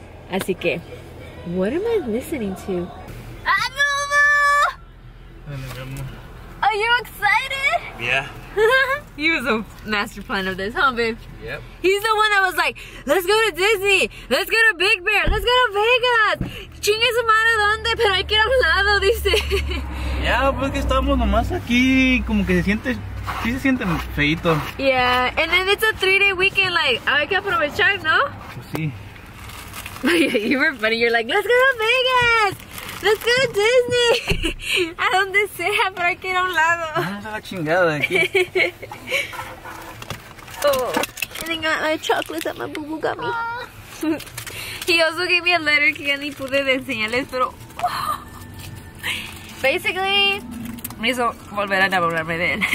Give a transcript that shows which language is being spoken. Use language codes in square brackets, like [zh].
[es] Así que, [en] what am I listening to? Abuelo! Are you excited? Yeah. He was a master plan of this, huh, babe? Yep. He's the one that was like, let's go to Disney, let's go to Big Bear, let's go to Vegas. [es] Chingue su madre, donde, pero hay que ir a un lado, dice. Ya, yeah, pues que estamos nomás aquí, como que se siente, sí se siente feito. [en] Yeah, and then it's a 3-day weekend, like, [es] hay que aprovechar, ¿no? Pues sí. [en] You were funny, you're like, let's go to Vegas. Let's go to Disney! [es] A donde sea, pero aquí a un lado. Ah, está la chingada aquí. [en] Oh, and then got my chocolates that my boo-boo got me. He also gave me a letter [es] que ya ni pude de enseñarles, pero... Basically, me hizo volver a enamorarme de él.